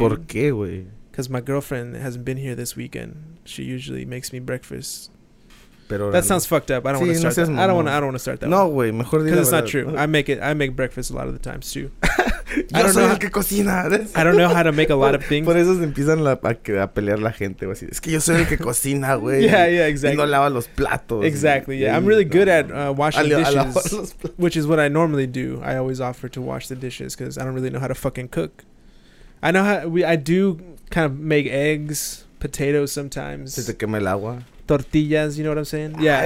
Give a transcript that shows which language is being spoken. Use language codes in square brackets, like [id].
[es] ¿Por qué, güey? [en] Because my girlfriend hasn't been here this weekend. She usually makes me breakfast. [es] Pero [en] that sounds fucked up. I don't want to start that. [es] No, güey. Mejor diga. [en] Because it's not true. I make breakfast a lot of the times, too. [es] Yo soy el que cocina. [en] I don't know how to make a lot of things. [es] Por eso se empiezan a pelear la gente. Así. Es que yo soy el que cocina, güey. [en] yeah, exactly. [es] Y no lava los platos. [en] Exactly, yeah. I'm really good at washing dishes, which is what I normally do. I always offer to wash the dishes because I don't really know how to fucking cook. I know how... I do kind of make eggs, potatoes sometimes. [es] Se te quema el agua. [en] Tortillas, you know what I'm saying? Yeah,